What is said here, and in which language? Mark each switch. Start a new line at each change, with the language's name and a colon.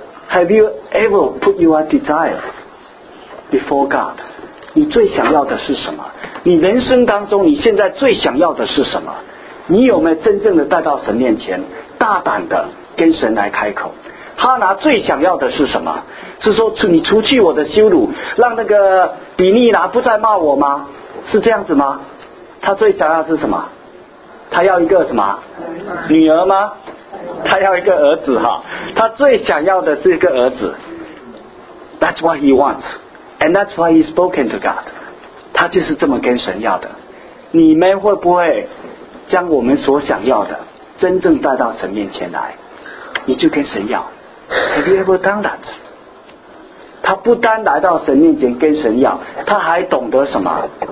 English: Have you ever put your desires before God?
Chinese: 你最想要的是什么？你人生当中你现在最想要的是什么？你有没有真正的带到神面前，大胆的跟神来开口？哈拿最想要的是什么？是说你除去我的羞辱，让那个比尼拿不再骂我吗？是这样子吗？他最想要的是什么？他要一个什么女儿吗？他要一个儿子哈，他最想要的是一个儿子。
English: That's what he wants, and that's why he's spoken to God.
Chinese: 他就是这么跟神要的。你们会不会将我们所想要的真正带到神面前来？你就跟神要。
English: Have you ever done that?
Chinese: 他不单来到神面前跟神要，他还懂得什么？